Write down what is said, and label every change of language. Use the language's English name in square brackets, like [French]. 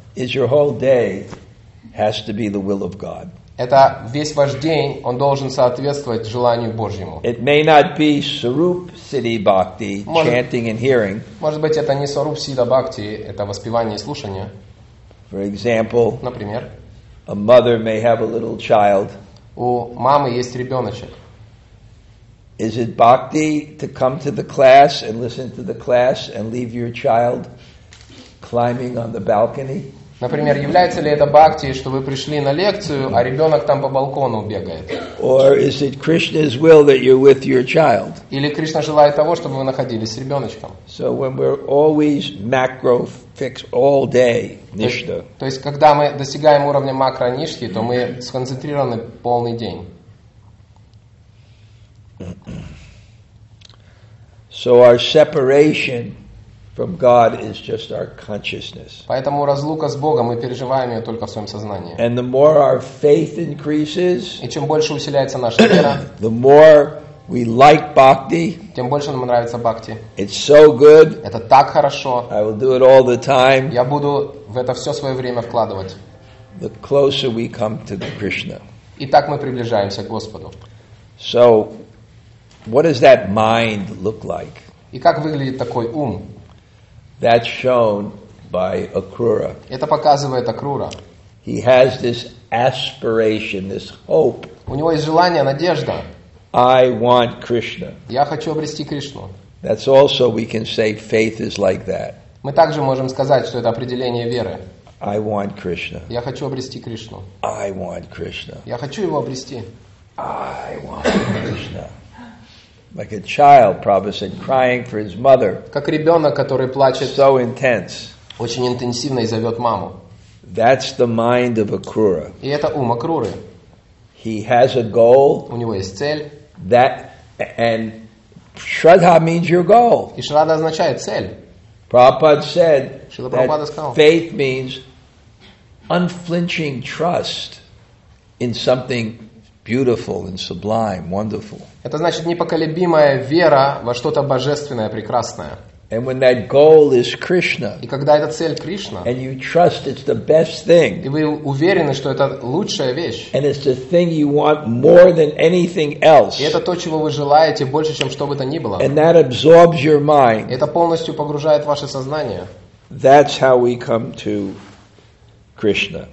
[English] Is your whole day has to be the will of God. [Russian] Это весь ваш день, он должен соответствовать желанию Божьему. [English] It may not be Sarup Siddhi Bhakti, chanting and hearing. [Russian] Может быть, это не Sarup Siddhi Bhakti, это воспевание и слушание. [English] For example, [Russian] например, [English] a mother may have a little child. [Russian] У мамы есть ребеночек. [English] Is it bhakti to come to the class and listen to the class and leave your child climbing on the balcony? [Russian] Например, является ли это бхакти, что вы пришли на лекцию, а ребенок там по балкону бегает? [English] Or is it Krishna's will that you're with your child? [Russian] Или Кришна желает того, чтобы вы находились с ребеночком? [English] So when we're always macro fixed all day, nishtha. [Russian] То есть, когда мы достигаем уровня макро-ништхи, то мы сконцентрированы полный день. [English] So our separation from God is just our consciousness. [Russian] Поэтому разлука с Богом мы переживаем ее только в своем сознании. [English] And the more our faith increases, [Russian] и чем больше усиливается наша вера, [English] the more we like bhakti, [Russian] тем больше нам нравится бхакти. [English] It's so good. [Russian] Это так хорошо. [English] I will do it all the time. [Russian] Я буду в это все свое время вкладывать. [English] The closer we come to the Krishna. [Russian] И так мы приближаемся к Господу. [English] So, what does that mind look like? [Russian] И как выглядит такой ум? [English] That's shown by Akrura. [Russian] Это показывает Акрура. [English] He has this aspiration, this hope. [Russian] У него есть желание, надежда. [English] I want Krishna. [Russian] Я хочу обрести Кришну. [English] That's also we can say faith is like that. [Russian] Мы также можем сказать, что это определение веры. [English] I want Krishna. [Russian] Я хочу обрести Кришну. [English] I want Krishna. [Russian] Я хочу его обрести. [English] I want Krishna. Like a child, Prabhupada said, crying for his mother. [Russian] Как ребенок, который плачет. [English] So intense. [Russian] Очень интенсивно и зовет маму. [English] That's the mind of Akrura. [Russian] И это ум Акруры. [English] He has a goal. [Russian] У него есть цель. [English] That and Shraddha means your goal. [Russian] И Shraddha означает цель. [English] Prabhupada said that faith means unflinching trust in something beautiful and sublime, wonderful. [Russian] Это значит непоколебимая вера во что-то божественное, прекрасное. [English] And when that goal is Krishna, [Russian] и когда эта цель Кришна, [English] and you trust it's the best thing, [Russian] и вы уверены, что это лучшая вещь, [English] and it's the thing you want more than anything else, [Russian] и это то, чего вы желаете больше, чем что бы то ни было, [English] and that absorbs your mind, [Russian] это полностью погружает ваше сознание. [English] That's how we come to Krishna.